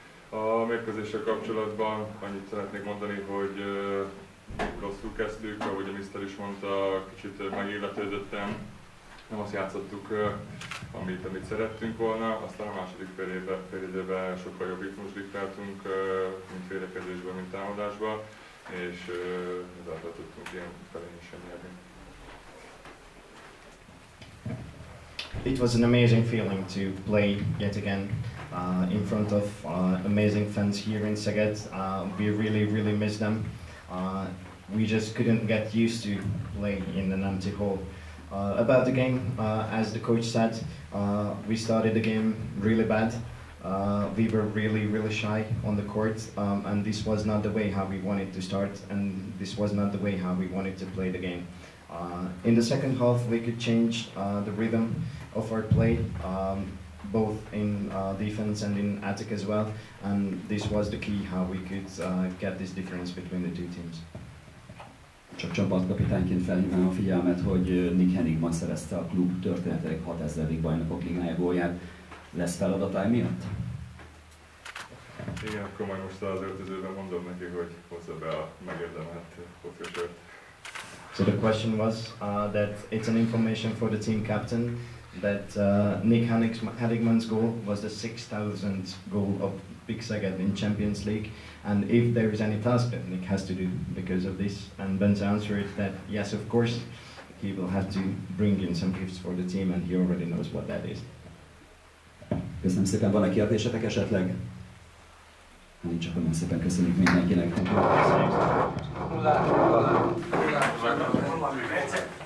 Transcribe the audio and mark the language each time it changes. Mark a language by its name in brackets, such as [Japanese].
[Hungarian] A mérkőzéssel kapcsolatban annyit szeretnék mondani, hogy rosszul kezdtük, ahogy a Mister is mondta, kicsit megilletődöttem. Nem azt játszottuk, amit szerettünk volna, aztán a második fél időben sokkal jobb ritmus diktáltunk, mint védekezésben, mint támadásban, és ezáltal tudtunk ilyen felén is nyerni. [English] It was an amazing feeling to play yet again in front of amazing fans here in Szeged. We really, really miss them. We just couldn't get used to play in an empty hall. About the game, as the coach said, we started the game really bad. We were really, really shy on the court, and this was not the way how we wanted to start, and this was not the way how we wanted to play the game. In the second half, we could change the rhythm of our play, both in defense and in attack as well, and this was the key how we could get this difference between the two teams. [Hungarian] Csak csapatkapitányként felhívnám a figyelmet, hogy Nick Henning ma szerezte a klub történetének 6000. Bajnokok Ligája gólját. Lesz feladatai miatt? Igen, akkor majd most az öltözőben mondom neki, hogy hozza be a megérdemelt kockasört. [English] So the question was that it's an information for the team captain that Nick Henningman's goal was the 6000th goal of Big Szeged in Champions League, and if there is any task that Nick has to do because of this, and Ben's answer is that yes, of course, he will have to bring in some gifts for the team, and he already knows what that is. [Hungarian] Köszönöm szépen, van-e kérdésetek esetleg? Nem csak, nagyon szépen köszönjük mindenkinek.